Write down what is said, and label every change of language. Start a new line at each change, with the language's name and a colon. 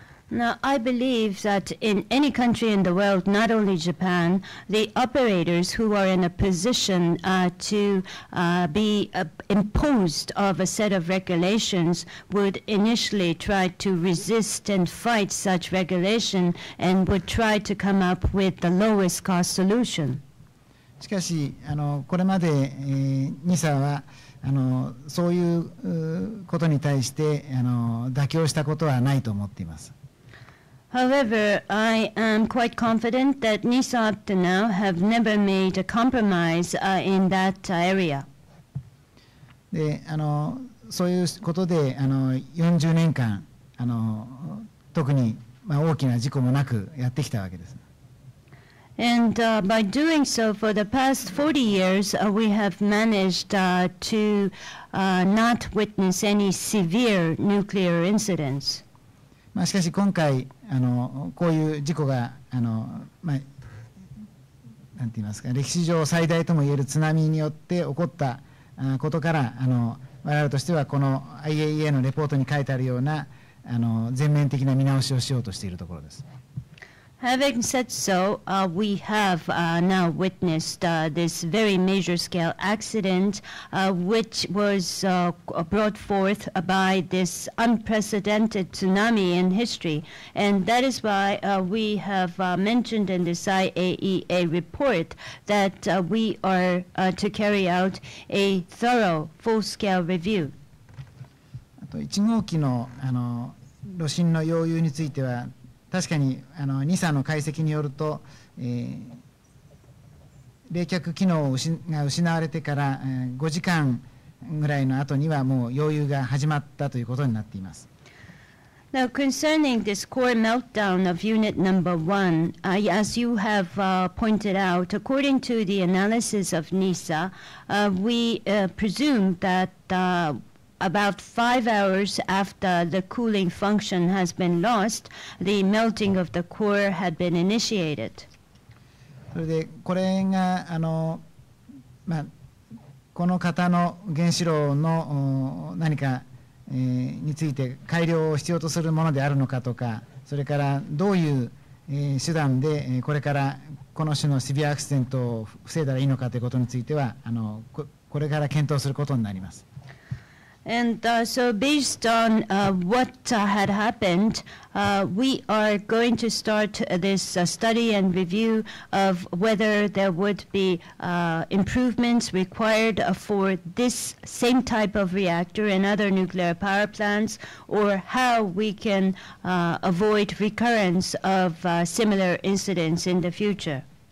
English: Now, I believe that in any country in the world, not only Japan, the operators who are in a position to be imposed of a set of regulations would initially try to resist and fight such regulation and would try to come up with the lowest cost solution.
Japanese: しかし、これまで、NISA はそういうことに対して妥協したことはないと思っています。
English: However, I am quite confident that NISA up to now have never made a compromise in that area.
Japanese: で、そういうことで40年間特に、まあ、大きな事故もなくやってきたわけです。
English: And by doing so for the past 40 years, we have managed to not witness any severe nuclear incidents.
Japanese: まあ、しかし今回あのこういう事故があの、まあ、なんて言いますか歴史上最大ともいえる津波によって起こったことからあの我々としてはこの IAEA のレポートに書いてあるようなあの全面的な見直しをしようとしているところです。
English: Having said so, we have now witnessed this very major scale accident, which was brought forth by this unprecedented tsunami in history. And that is why we have mentioned in this IAEA report that we are to carry out a thorough full-scale review.
Japanese: あと1号機の、あの、炉心の溶融については確かにあの NISA の解析によると、冷却機能が失われてから、5時間ぐらいの後にはもう溶融が始まったということになっています。
English: Now, concerning this core meltdown of unit number one, as you have pointed out, according to the analysis of NISA, we presume that about 5 hours after the cooling function has been lost, the melting of the core had been initiated.
Japanese: それでこれがあの、まあ、この方の原子炉の何か、について改良を必要とするものであるのかとか、それからどういう、手段で、これからこの種のシビアアクシデントを防いだらいいのかということについては、あの これから検討することになります。
English: And so based on what had happened, we are going to start this study and review of whether there would be improvements required for this same type of reactor in other nuclear power plants, or how we can avoid recurrence of similar incidents in the future.